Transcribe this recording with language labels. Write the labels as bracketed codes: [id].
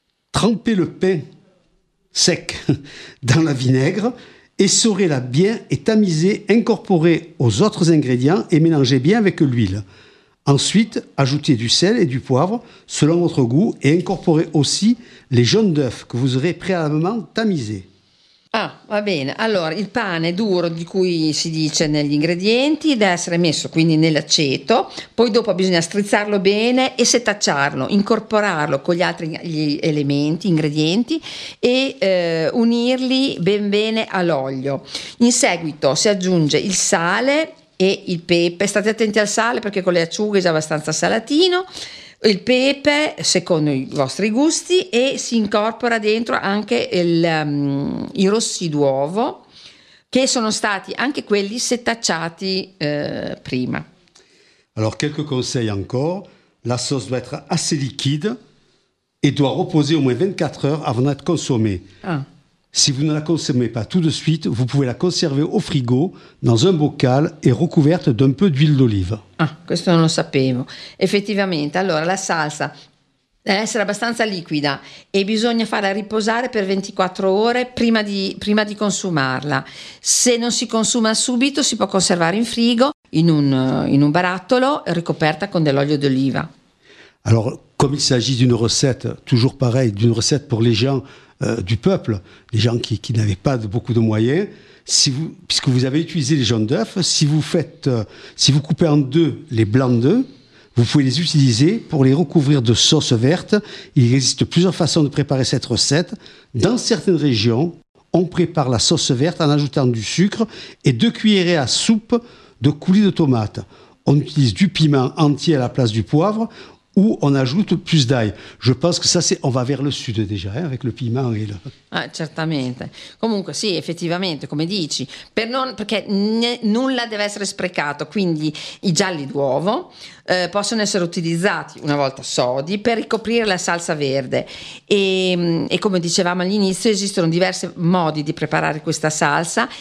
[fr] Tremper le pain sec dans la vinaigre, essorez-la bien et tamisez, incorporez aux autres ingrédients et mélangez bien avec l'huile. Ensuite, ajoutez du sel et du poivre selon votre goût et incorporez aussi les jaunes d'œufs que vous aurez préalablement tamisés. [it] Ah, va bene. Allora, il pane duro di cui si dice negli ingredienti deve essere messo quindi nell'aceto, poi dopo bisogna strizzarlo bene e setacciarlo, incorporarlo con gli altri ingredienti e unirli ben bene all'olio. In seguito si aggiunge il sale e il pepe, state attenti al sale perché con le acciughe è già abbastanza salatino, il pepe secondo i vostri gusti e si incorpora dentro anche i rossi d'uovo che sono stati anche quelli setacciati prima. [fr] Alors quelques conseils encore, la sauce doit être assez liquide et doit reposer au moins 24 heures avant d'être consommée. Si vous ne la consommez pas tout de suite, vous pouvez la conserver au frigo, dans un bocal et recouverte d'un peu d'huile d'olive. [it] Ah, questo non lo sapevo. Effettivamente, allora la salsa deve essere abbastanza liquida e bisogna farla riposare per 24 ore prima di consumarla. Se non si consuma subito, si può conservare in frigo, in un barattolo, ricoperta con dell'olio d'oliva. [fr] Alors, comme il s'agit d'une recette, toujours pareil, d'une recette pour les gens du peuple, les gens qui n'avaient pas beaucoup de moyens, puisque vous avez utilisé les jaunes d'œufs, si vous coupez en deux les blancs d'œufs, vous pouvez les utiliser pour les recouvrir de sauce verte. Il existe plusieurs façons de préparer cette recette. Dans certaines régions, on prépare la sauce verte en ajoutant du sucre et 2 cuillerées à soupe de coulis de tomates. On utilise du piment entier à la place du poivre. Où on ajoute plus d'ail. Je pense que ça, c'est on va vers le sud déjà, hein, avec le piment et le. [it] Ah, certamente. Comunque, sì, effettivamente, come dici, perché nulla deve essere sprecato. Quindi, i gialli d'uovo possono essere utilizzati una volta sodi per ricoprire la salsa verde. E come dicevamo all'inizio, esistono diversi modi di preparare questa salsa.